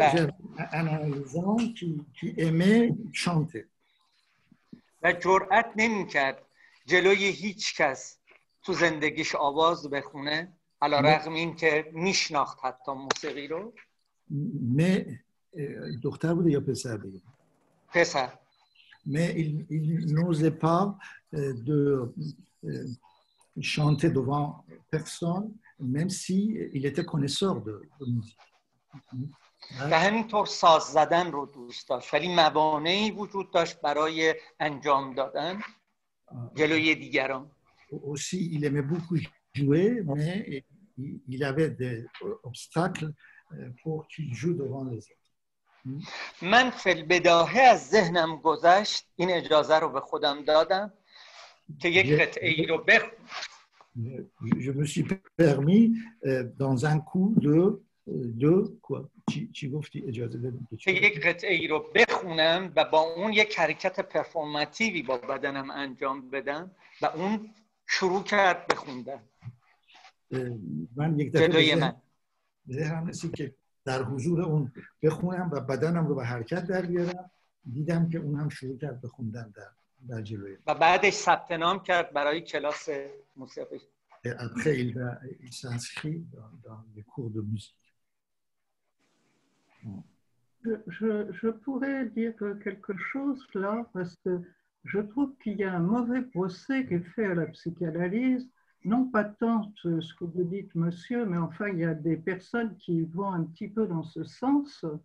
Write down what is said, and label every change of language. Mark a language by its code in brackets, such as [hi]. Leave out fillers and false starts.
[fr] J'avais un enfant qui aimait chanter. [fa] و جرأت نمی‌کرد جلوی هیچ کس تو زندگیش آواز بخونه، علی رغم اینکه می‌شناخت حتی موسیقی رو. Mais دختر بود یا پسر بود؟ پسر. [fr] Mais il n'osait pas de chanter devant personne, même si il était connaisseur de musique. [fa] و همینطور ساز زدن رو دوست داشت، ولی موانعی وجود داشت برای انجام دادن جلوی دیگران. [fr] Aussi, il aimait beaucoup jouer, mais il avait des obstacles pour qu'il joue devant les autres. [fa] من فی‌البداهه از ذهنم گذشت، این اجازه رو به خودم دادم که یک قطعه ای رو بخونم. [fr] Je me suis permis, dans un coup, de quoi tu gofti [fa] اجازه بدم که یک قطعه ای رو بخونم و با اون یک حرکت پرفورماتیوی با بدنم انجام بدم و اون شروع کرد به خوندن. من یک دفعه ذهنم رسید که در حضور اون بخونم و بدنم رو به حرکت در بیارم، دیدم که اون هم شروع کرد به خوندن در جلوی و بعدش ثبت نام کرد برای کلاس موسیقی. [fr] Après il s'inscrit dans les cours de musique. Je pourrais dire quelque chose là, parce que je trouve qu'il y a un mauvais procès qui est fait à la psychanalyse, non pas tant ce que vous dites, monsieur, mais enfin, il y a des personnes qui vont un petit peu dans ce sens.